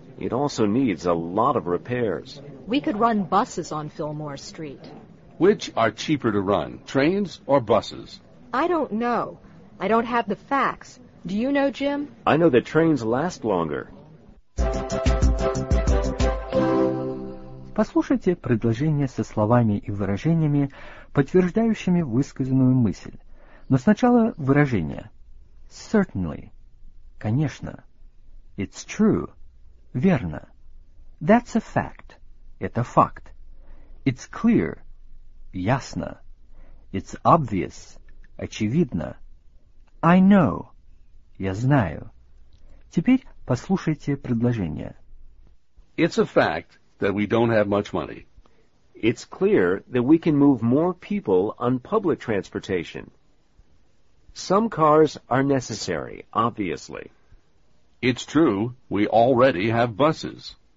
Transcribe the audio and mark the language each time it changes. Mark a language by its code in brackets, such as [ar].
[en] It also needs a lot of repairs. We could run buses on Fillmore Street. Which are cheaper to run, trains or buses? I don't know. I don't have the facts. Do you know, Jim? I know that trains last longer. [ru] Послушайте предложение со словами и выражениями, подтверждающими высказанную мысль. Но сначала выражение. [en] Certainly. [ru] Конечно. [en] It's true. [ru] Верно. [en] That's a fact. [ru] Это факт. [en] It's clear. [ru] Ясно. [en] It's obvious. [ru] Очевидно. [en] I know. [ru] Я знаю. Теперь послушайте предложение. [en] It's a fact that we don't have much money. It's clear that we can move more people on public transportation. Some cars are necessary, obviously. It's true, we already have buses.